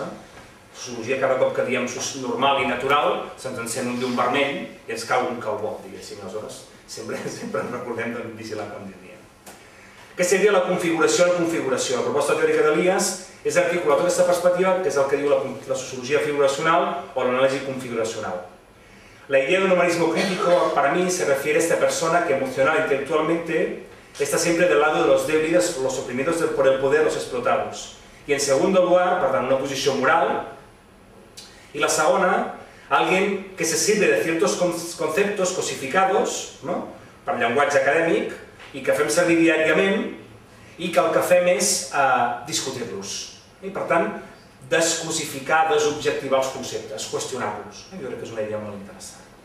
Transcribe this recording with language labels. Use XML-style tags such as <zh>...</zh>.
<ca>La sociologia, cada cop que diem normal i natural, se'ns encén un llum vermell i ens cau un calbó, diguéssim. Aleshores, sempre recordem de vigilar com diríem. Aquesta seria la configuració de la configuració. La proposta teòrica d'Elias és articular tota aquesta perspectiva, que és el que diu la sociologia figuracional o l'anàlisi configuracional.</ca> <es>La idea de un humanismo crítico, para mí, se refiere a esta persona que emocional e intelectualmente está siempre del lado de los débiles, los oprimidos por el poder, los explotados. Y en segundo lugar,</es> <ca>per tant, una posició moral. Y la segona,</ca> <es>alguien que se sirve de ciertos conceptos cosificados,</es> <ca>per llenguatge acadèmic, i que fem servir diàriament, i que el que fem és discutir-los. Per tant, descosificar, desobjectivar els conceptes, qüestionar-los. Jo crec que és una idea molt interessant.</ca>